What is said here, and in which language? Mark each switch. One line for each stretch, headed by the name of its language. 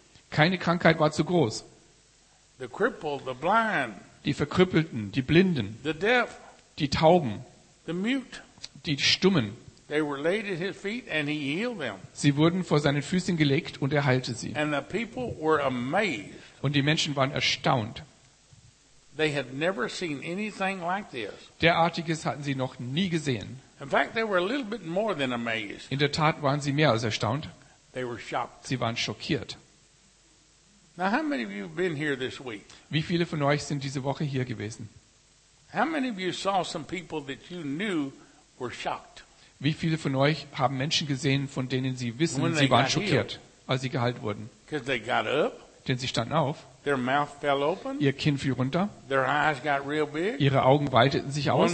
German: Keine Krankheit war zu groß. Die Verkrüppelten, die Blinden, die Tauben, die Stummen,
English: they were laid at his feet and he healed them.
German: Sie wurden vor seinen Füßen gelegt und er heilte sie.
English: And the people were amazed.
German: Und die Menschen waren erstaunt.
English: They had never seen anything like this.
German: Derartiges hatten sie noch nie gesehen.
English: In fact, they were a little bit more than amazed.
German: In der Tat waren sie mehr als erstaunt.
English: They were shocked.
German: Sie waren schockiert.
English: Now, how many of you have been here this week?
German: Wie viele von euch sind diese Woche hier gewesen?
English: How many of you saw some people that you knew were shocked?
German: Wie viele von euch haben Menschen gesehen, von denen sie wissen, sie waren schockiert, als sie geheilt wurden? Denn sie standen auf, ihr Kinn fiel runter, ihre Augen weiteten sich aus.